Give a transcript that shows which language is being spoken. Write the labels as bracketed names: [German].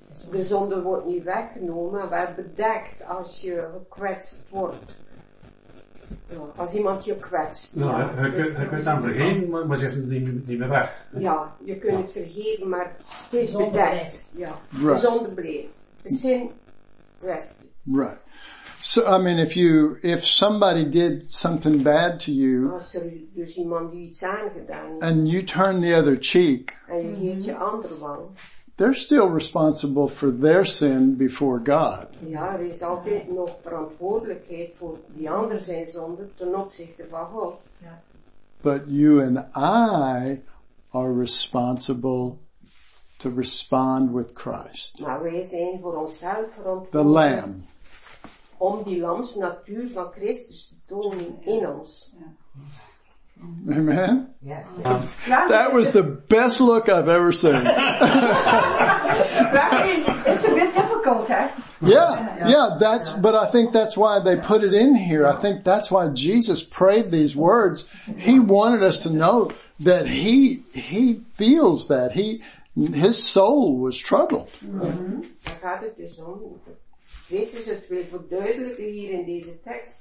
[Dutch] De zonde wordt niet weggenomen, maar bedekt als je gekwetst wordt. Ja, als iemand je kwetst. Nou, ja, je kunt het dan vergeven, maar ze is niet meer weg. Ja, je kunt het vergeven, maar het is bedekt. Ja, [English] right. [Dutch] De zonde bleef. De [English] sin rested. Right. So, I mean, if somebody did something bad to you. [Dutch] Als er dus iemand die iets aangedaan heeft. [English] And you turn the other cheek. [Dutch] En je geeft je andere wang. [English] They're still responsible for their sin before God. [Dutch] Ja, er is altijd nog verantwoordelijkheid voor die ander zijn zonde ten opzichte van God. Ja. [English] But you and I are responsible to respond with Christ. [Dutch] Maar wij zijn voor onszelf verantwoordelijk. [English] The Lamb. [Dutch] om die landse natuur van Christus te tonen in ons. [English] Amen. Yes. That was the best look I've ever seen. It's a bit difficult, huh? Yeah, that's, but I think that's why they put it in here. I think that's why Jesus prayed these words. He wanted us to know that he feels that. His soul was troubled. [Dutch] Daar gaat het dus om. Christus het wil verduidelijken hier in deze tekst.